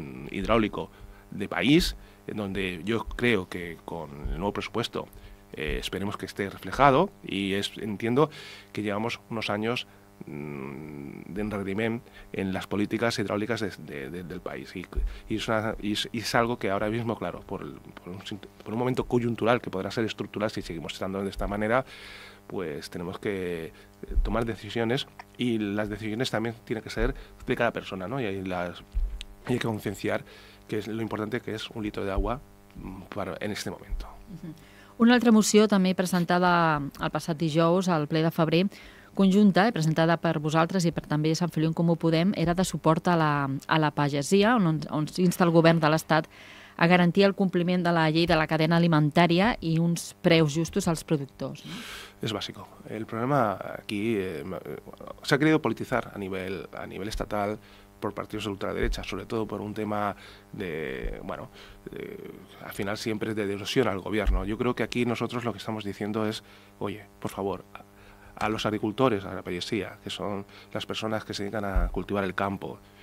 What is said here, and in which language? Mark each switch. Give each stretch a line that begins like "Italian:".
Spanish: hidráulico de país, en donde yo creo que con el nuevo presupuesto esperemos que esté reflejado, y entiendo que llevamos unos años de enredimiento en las políticas hidráulicas del país, y es algo que ahora mismo, claro, por un momento coyuntural que podrá ser estructural si seguimos estando de esta manera, pues tenemos que tomar decisiones, y las decisiones también tienen que ser de cada persona, ¿no? Y hay que concienciar que es lo importante, que es un litro de agua en este momento.
Catalan: Una altra moció també presentada el passat dijous al ple de febrer, conjunta, presentada per vosaltres i per també Sant Feliu en Comú Podem, era de suport a la pagesia, on insta el govern de l'Estat a garantir el compliment de la llei de la cadena alimentària i uns preus justos als productors.
Spanish: Es básico. El problema aquí se ha querido politizar a nivel estatal por partidos de ultraderecha, sobre todo por un tema de, bueno, al final siempre de erosión al gobierno. Yo creo que aquí nosotros lo que estamos diciendo es, oye, por favor, a los agricultores, a la pagesía, que son las personas que se dedican a cultivar el campo,